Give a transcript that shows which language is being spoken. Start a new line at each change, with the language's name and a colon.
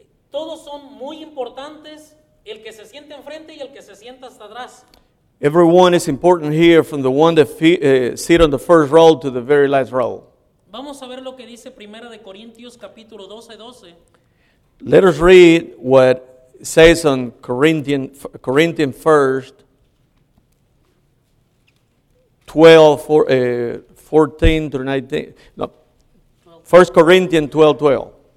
Spanish: Todos son muy importantes, el que se siente enfrente y el que se sienta hasta atrás.
English: Everyone is important here, from the one that sit on the first row to the very last row.
Spanish: Vamos a ver lo que dice Primera de Corintios capítulo 12:12.
English: Let us read what says on Corinthians 1 Corinthians 12:12.